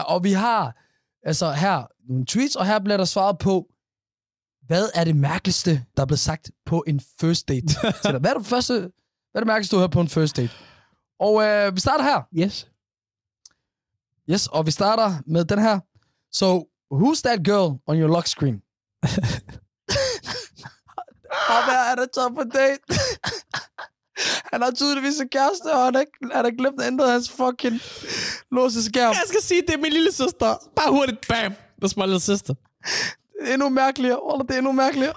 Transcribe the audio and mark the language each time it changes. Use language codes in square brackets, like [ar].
[da] Og vi har altså her nogle tweets, og her bliver der svaret på, hvad er det mærkeligste, der er blevet sagt på en first date? Hvad er det mærkeligste, du har på en first date? Og vi starter her. [en] Yes. [da] Yes, og vi starter med den her. [en] So, who's that girl on your lock screen? [da] Og hvad er det top på date? Han har tydeligvis en kæreste, og han har glemt at ændre hans fucking låseskærm. Jeg skal sige, det er min lille søster. Bare hurtigt, bam. Det er min lille søster. Endnu mærkeligere. Oh, det er endnu mærkeligere.